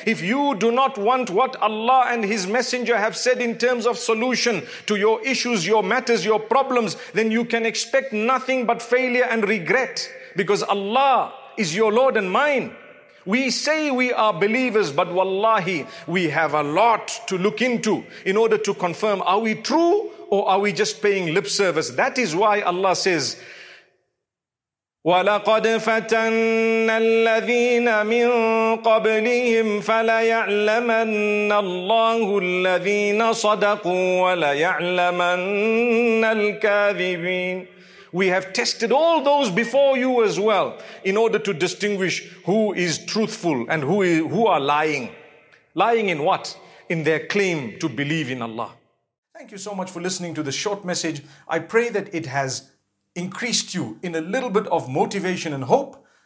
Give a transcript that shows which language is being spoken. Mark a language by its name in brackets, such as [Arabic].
[English] If you do not want what Allah and His messenger have said in terms of solution to your issues, your matters, your problems, then you can expect nothing but failure and regret, because Allah is your Lord and mine. We say we are believers, but wallahi, we have a lot to look into in order to confirm, are we true or are we just paying lip service? That is why Allah says, [Arabic] وَلَقَدْ فَتَنَّ الَّذِينَ مِنْ قَبْلِهِمْ فَلَيَعْلَمَنَّ اللَّهُ الَّذِينَ صَدَقُوا وَلَيَعْلَمَنَّ الْكَاذِبِينَ. [English] We have tested all those before you as well in order to distinguish who is truthful and who are lying. Lying in what? In their claim to believe in Allah. Thank you so much for listening to this short message. I pray that it has increased you in a little bit of motivation and hope.